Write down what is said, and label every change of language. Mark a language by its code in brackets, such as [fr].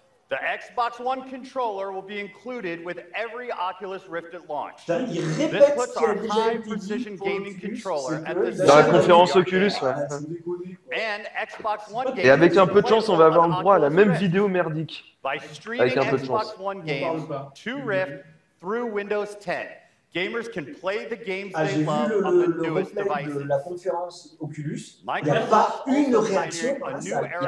[en] The Xbox One controller will be included with every Oculus Rift at launch. This puts our high-precision gaming controller at the [fr] dans la conférence Oculus, ouais. [en] And Xbox One [fr] et avec un peu de chance, on va avoir le droit à la même vidéo merdique. [en] By streaming Xbox One games to Rift through Windows 10, gamers can play the games they love on the newest devices. [fr] De la conférence Oculus, il n'y a pas une réaction à ça.